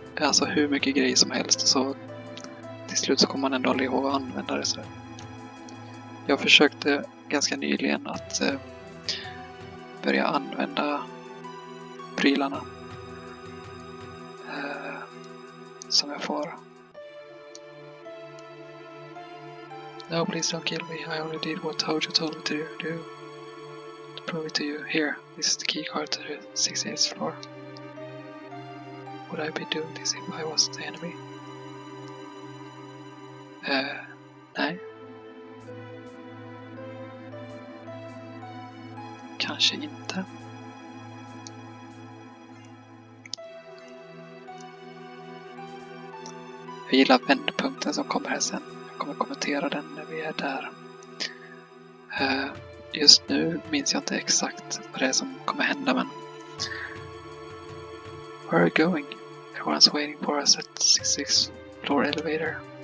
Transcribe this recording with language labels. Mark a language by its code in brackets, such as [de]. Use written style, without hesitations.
[sv] Alltså hur mycket grejer som helst, så till slut så kommer man ändå aldrig ihåg att använda det. Så jag försökte ganska nyligen att börja använda prylarna som jag får. [en] No, please don't kill me. I only did what Hojo told me to do. To prove it to you. Here, this is the key card to the 68th floor. Would I be doing this if I was the enemy? [sv] Nej. Kanske inte. Jag gillar vändpunkten som kommer här sen. Kommer kommentera den när vi är där. Just nu minns jag inte exakt vad det är som kommer hända, men [en] where are you going? Everyone's waiting for us at 66 floor elevator.